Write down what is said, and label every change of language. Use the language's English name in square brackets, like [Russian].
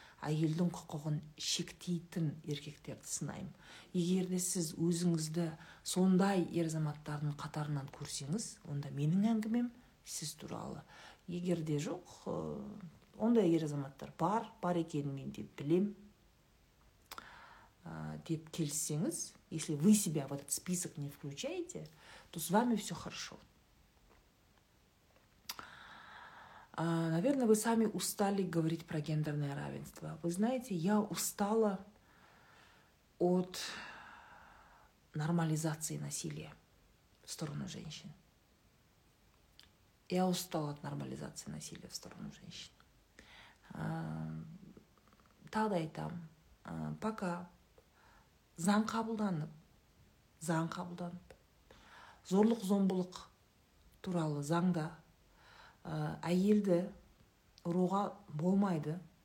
[Kazakh] әйелдің құқығын шектейтін еркектерді сынайым. Егер де сіз өзіңізді сондай ер азаматтардың қатарынан көрсеңіз, онда менің әңгімем сіз туралы. Егер де жоқ, ондай ер азаматтар бар, бар екенін мен деп білем, деп келсеңіз, [Russian] если вы себя в этот список не включаете, то с вами все хорошо. Наверное, вы сами устали говорить про гендерное равенство. Вы знаете, я устала от нормализации насилия в сторону женщин. Я устала от нормализации насилия в сторону женщин. [Kazakh] Тадай там, пока заң қабылданып, зорлық-зомбылық туралы заңда әйелді ұруға болмайды.